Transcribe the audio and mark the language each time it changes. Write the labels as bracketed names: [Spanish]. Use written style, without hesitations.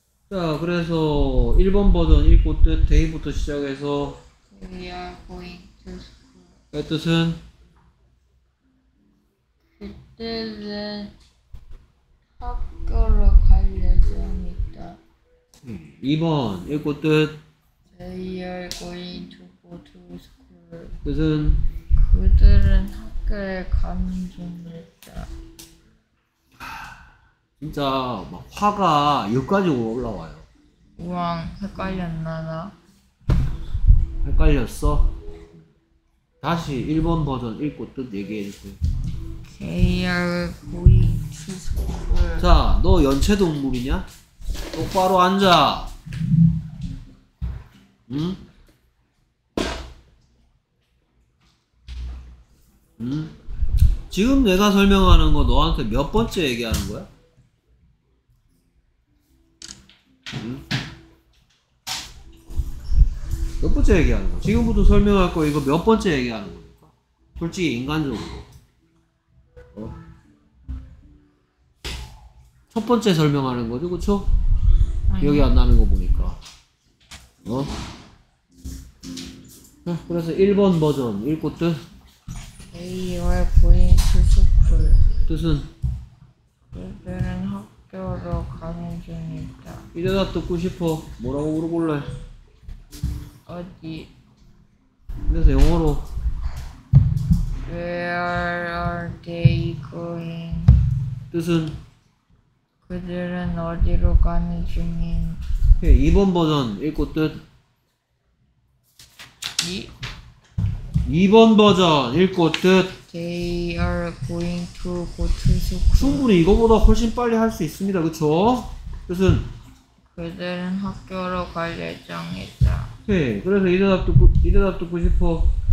[Korean] 자, 그래서 1번 버전 읽고 뜻 데이부터 시작해서 [English] We are going to school. [Korean] 그 뜻은? 그 뜻은 학교로 갈 예정이다. 2번 읽고 뜻 [English] They are going to go to school. [Korean] 그것은? 그들은 학교에 가는 중이다. 진짜 막 화가 여기까지 올라와요. 우왕 헷갈렸나 나? 헷갈렸어? 다시 1번 버전 읽고 뜻 얘기해주세요. [English] They are going to school. [Korean] 자, 너 연체 동물이냐? 똑바로 앉아. 응? 응? 지금 내가 설명하는 거 너한테 몇 번째 얘기하는 거야? 응? 몇 번째 얘기하는 거야? 지금부터 설명할 거 이거 몇 번째 얘기하는 거니까? 솔직히 인간적으로. 어? 첫 번째 설명하는 거지, 그쵸? 기억이 안 나는 거 보니까. 어? 그래서 1번 버전 읽고 뜻 [English] They are going to school. [Korean] 뜻은? 그들은 학교로 가는 중이다. 이 대답 듣고 싶어. 뭐라고 물어볼래? 어디? 그래서 영어로 [English] Where are they going? [Korean] 뜻은? 그들은 어디로 가는 중인? 예, 2번 버전 읽고 뜻. 2번 버전 읽고 뜻. [English] They are going to go to school. [Korean] 충분히 이거보다 훨씬 빨리 할 수 있습니다. 그렇죠? 뜻은 그들은 학교로 갈 예정이다. 예, 그래서 이 대답 듣고 싶어.